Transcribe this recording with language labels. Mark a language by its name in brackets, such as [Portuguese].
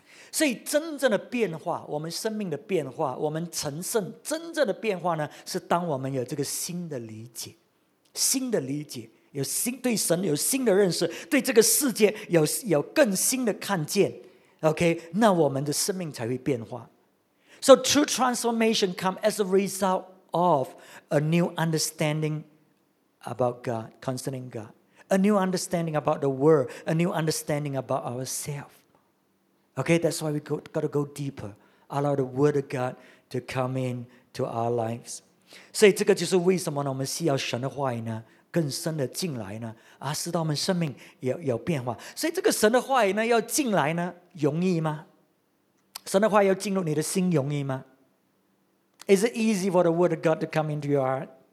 [Chinese] 所以真正的变化，我们生命的变化，我们成圣真正的变化呢，是当我们有这个新的理解，新的理解，有新对神有新的认识，对这个世界 有更新的看见。 OK， 那我们的生命才会变化。 [English] So true transformation comes as a result of a new understanding about God, concerning God, a new understanding about the world, a new understanding about ourselvesOkay, that's why we got to go deeper. Allow the word of God to come into our lives. [Chinese] 所以这个就是为什么呢，我们需要神的话语呢更深的进来呢，使到我们生命 有变化。所以这个神的话语呢要进来呢容易吗？神的话要进入你的心容易吗？ [English] Is it easy for the word of God to come into your heart?